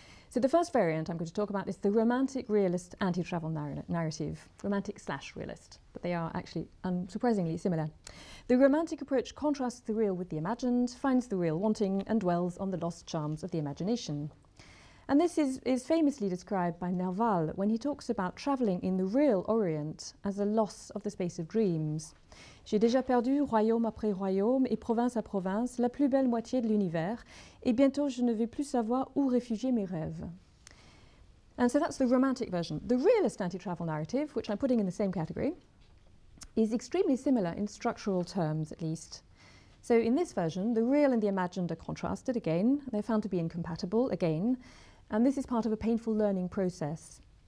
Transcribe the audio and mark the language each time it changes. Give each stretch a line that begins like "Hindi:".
English: So the first variant I'm going to talk about is the romantic realist anti-travel narrative, romantic slash realist, but they are actually unsurprisingly similar. The romantic approach contrasts the real with the imagined, finds the real wanting, and dwells on the lost charms of the imagination. And this is famously described by Nerval when he talks about travelling in the real Orient as a loss of the space of dreams.
French: J'ai déjà perdu royaume après royaume et province à province la plus belle moitié de l'univers, et bientôt je ne vais plus savoir où réfugier mes rêves.
English: And so that's the romantic version. The realist anti-travel narrative, which I'm putting in the same category, is extremely similar in structural terms, at least. So in this version, the real and the imagined are contrasted again. They're found to be incompatible again. And this is part of a painful learning process.